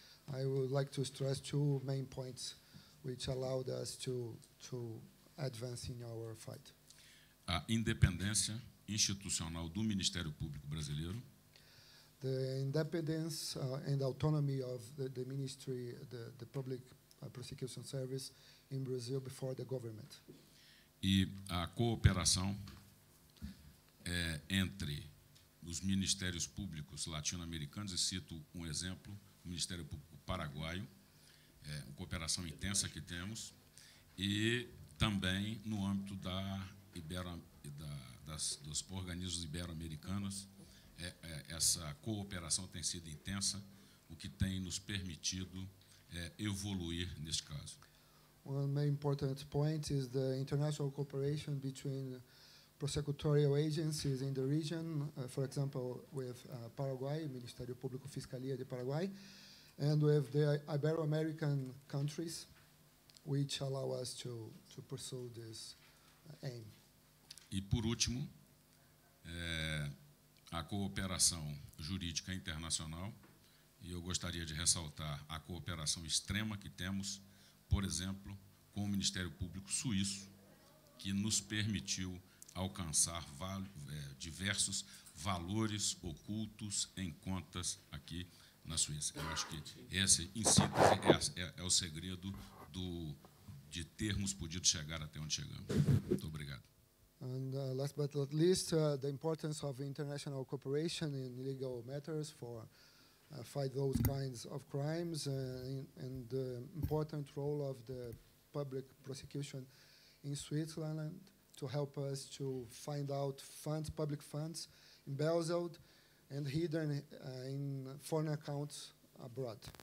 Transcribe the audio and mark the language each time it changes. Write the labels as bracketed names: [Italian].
[English] I would like to stress two main points which allowed us to advance in our fight. [Portuguese] A independência institucional do Ministério Público Brasileiro. [English] The independence and autonomy of the ministry, the public prosecution service in Brazil before the government. [Portuguese] E a cooperação entre os ministérios públicos latino-americanos, e cito um exemplo, o Ministério Público Paraguaio, uma cooperação intensa que temos, e também no âmbito dos organismos ibero-americanos, essa cooperação tem sido intensa, o que tem nos permitido evoluir neste caso. [English] One main important point is the international cooperation between prosecutorial agencies in the region, for example, with Paraguay, Ministério Público Fiscalia de Paraguay, and with the Iberoamerican countries, which allow us to pursue this aim. [Portuguese] E, por último, a cooperação jurídica internacional, e eu gostaria de ressaltar a cooperação extrema que temos, por exemplo, com o Ministério Público Suíço, que nos permitiu alcançar diversos valores ocultos em contas aqui na Suíça. Eu acho que esse, em síntese, é o segredo de termos podido chegar até onde chegamos. Muito obrigado. [English] And last but not least, the importance of international cooperation in legal matters for fight those kinds of crimes and the important role of the public prosecution in Switzerland to help us to find out funds, public funds, embezzled and hidden in foreign accounts abroad.